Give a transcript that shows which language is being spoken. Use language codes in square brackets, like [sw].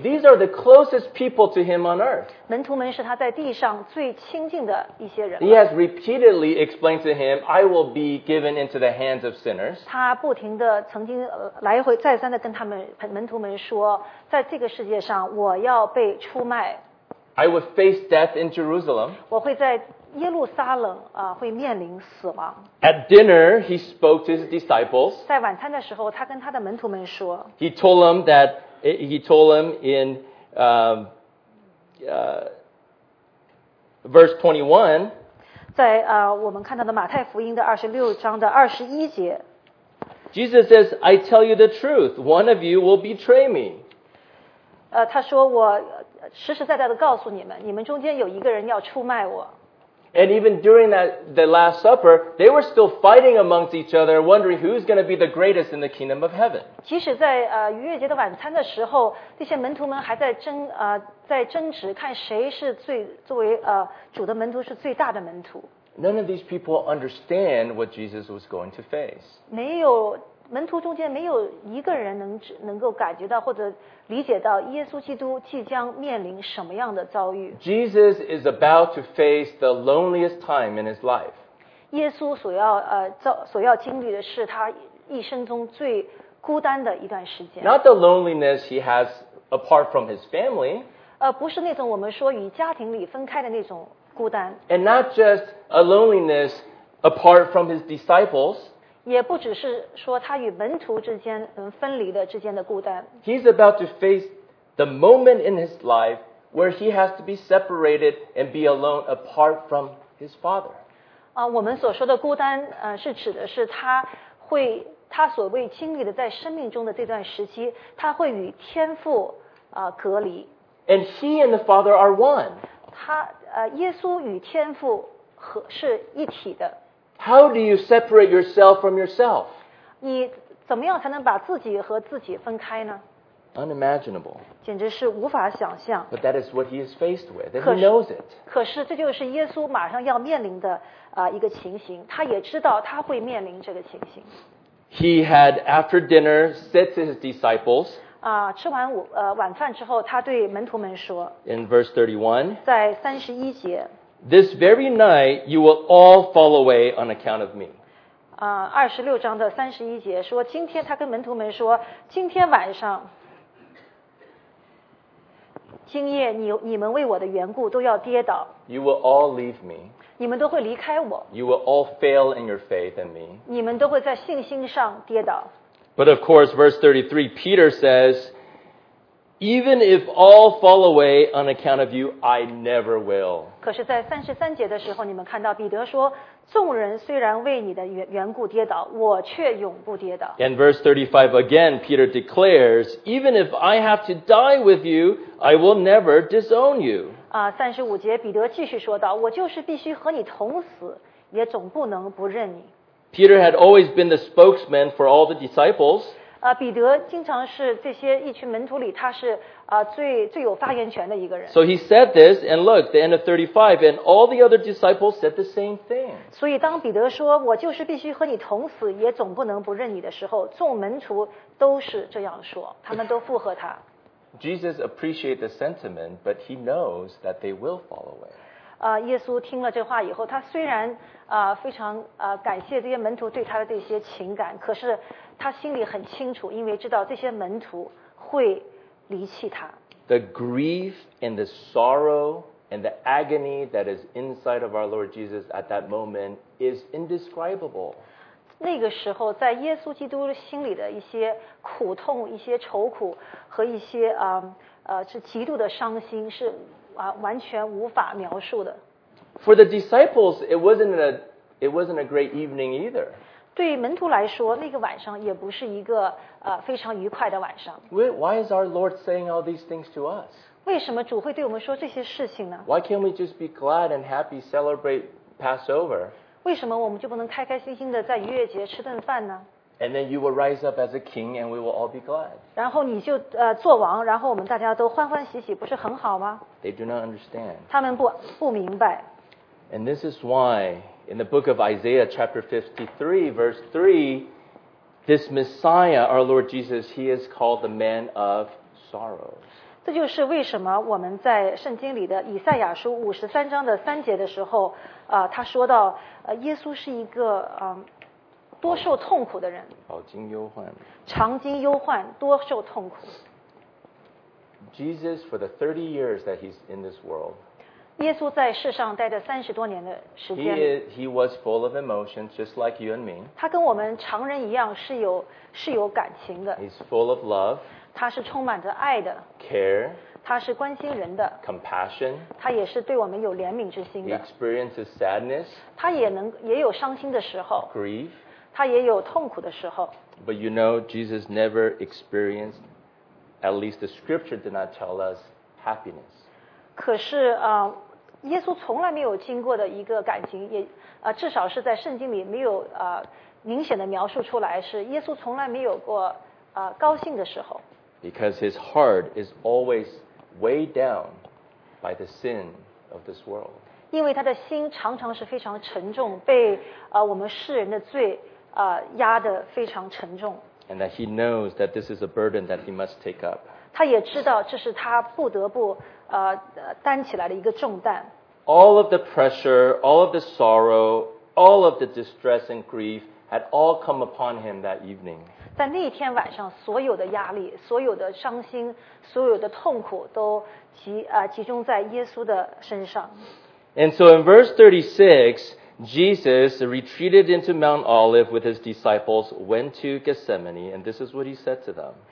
[en] These are the closest people to him on earth. [zh] 门徒们是他在地上最亲近的一些人。 [en] He has repeatedly explained to him, I will be given into the hands of sinners. [zh] 他不停地曾经来回再三地跟他们门徒们说，在这个世界上我要被出卖。 [en] I will face death in Jerusalem. [zh] 我会在耶路撒冷啊，会面临死亡。 [en] At dinner, he spoke to his disciples. [zh] 在晚餐的时候，他跟他的门徒们说。 [en] He told them that he told them in verse 21. [zh] 在我们看到的马太福音的二十六章的二十一节。 [en] Jesus says, "I tell you the truth. One of you will betray me." [zh] 他说我实实在在的告诉你们，你们中间有一个人要出卖我。 [en] And even during that, the Last Supper, they were still fighting amongst each other, wondering who's going to be the greatest in the kingdom of heaven. [zh] 即使在逾越节的晚餐的时候，这些门徒们还在争执，看谁是最作为主的门徒是最大的门徒。 [en] None of these people understand what Jesus was going to face. [zh] 没有门徒中间没有一个人能够感觉到或者理解到耶稣基督即将面临什么样的遭遇。 [en] Jesus is about to face the loneliest time in his life. [zh] 耶稣所要经历的是他一生中最孤单的一段时间。 [en] Not the loneliness he has apart from his family. [zh] 不是那种我们说与家庭里分开的那种孤单。 [en] And not just a loneliness apart from his disciples. [zh] 也不只是说他与门徒之间分离的之间的孤单。 [en] He's about to face the moment in his life where he has to be separated and be alone apart from his father. [zh] 我们所说的孤单，是指的是他所谓经历的在生命中的这段时期，他会与天父隔离。 [en] And he and the father are one. [zh] 耶稣与天父是一体的。 [en] How do you separate yourself from yourself? [zh] 你怎么样才能把自己和自己分开呢？ [en] Unimaginable. [zh] 简直是无法想象。 [en] But that is what he is faced with, and he knows it. [zh] 可是这就是耶稣马上要面临的一个情形，他也知道他会面临这个情形。 [en] He had, after dinner, said to his disciples, [zh] 吃完晚饭之后，他对门徒们说， [en] In verse 31, [zh] 在三十一节， [en] This very night, you will all fall away on account of me. [zh] 二十六章的三十一节说，今天他跟门徒们说，今天晚上，今夜你们为我的缘故都要跌倒。 [en] You will all leave me. [zh] 你们都会离开我。 [en] You will all fail in your faith in me. [zh] 你们都会在信心上跌倒。 [en] But of course, verse 33, Peter says, Even if all fall away on account of you, I never will. [zh] 可是在三十三节的时候，你们看到彼得说，众人虽然为你的缘故跌倒，我却永不跌倒。 [en] And verse 35 again, Peter declares, Even if I have to die with you, I will never disown you. [zh] 三十五节彼得继续说道，我就是必须和你同死，也总不能不认你。 [en] Peter had always been the spokesman for all the disciples. [zh] 彼得经常是这些一群门徒里他是最有发言权的一个人。 [en] So he said this, and look, the end of 35, and all the other disciples said the same thing. [zh] 所以当彼得说我就是必须和你同死也总不能不认你的时候，众门徒都是这样说，他们都附和他。 [en] Jesus appreciate the sentiment, but he knows that they will fall away. [zh] 耶稣听了这话以后，他虽然非常感谢这些门徒对他的这些情感，可是他心里很清楚，因为知道这些门徒会离弃他。 [en] The grief and the sorrow and the agony that is inside of our Lord Jesus at that moment is indescribable. [zh] 那个时候，在耶稣基督心里的一些苦痛、一些愁苦和一些是极度的伤心，是完全无法描述的。 [en] For the disciples, it wasn't a great evening either. [zh] 对门徒来说，那个晚上也不是一个非常愉快的晚上。 [en] Why is our Lord saying all these things to us? [zh] 为什么主会对我们说这些事情呢？ [en] Why can't we just be glad and happy celebrate Passover? [zh] 为什么我们就不能开开心心的在逾越节吃顿饭呢？ [en] And then you will rise up as a king, and we will all be glad. [zh] 然后你就做王，然后我们大家都欢欢喜喜，不是很好吗？ [en] They do not understand. [zh] 他们不明白。 [en] And this is why in the book of Isaiah chapter 53 verse 3, this Messiah, our Lord Jesus, he is called the man of sorrows. [zh] 这就是为什么我们在圣经里的以赛亚书53章的三节的时候，他说到耶稣是一个多受痛苦的人，饱经忧患，常经忧患，多受痛苦。 [en] Jesus, for the 30 years that he's in this world, [zh] 耶稣在世上待着30多年的时间， [en] he was full of emotions, just like you and me. [zh] 他跟我们常人一样是有感情的。 [en] He's full of love, [zh] 他是充满着爱的。 [en] Care, [zh] 他是关心人的。 [en] Compassion, [zh] 他也是对我们有怜悯之心的。 [en] He experiences sadness, [zh] 他也有伤心的时候。 [en] Grief, [zh] 他也有痛苦的时候。 [en] But you know, Jesus never experienced, at least the scripture did not tell us, happiness. [zh] 可是耶稣从来没有经过的一个感情，至少是在圣经里没有明显的描述出来，是耶稣从来没有过高兴的时候。 [en] Because his heart is always weighed down by the sin of this world. [zh] 因为他的心常常是非常沉重，被我们世人的罪压得非常沉重。 [en] And that he knows that this is a burden that he must take up. [zh] 他也知道这是他不得不担起来的一个重担。 [en] All of the pressure, all of the sorrow, all of the distress and grief,had all come upon him that evening. [zh] 在那天晚上，所有的压力，所有的伤心，所有的痛苦都集中在耶稣的身上。 [en] And so in verse 36, Jesus retreated into Mount Olive with his disciples, went to Gethsemane, and this is what he said to them.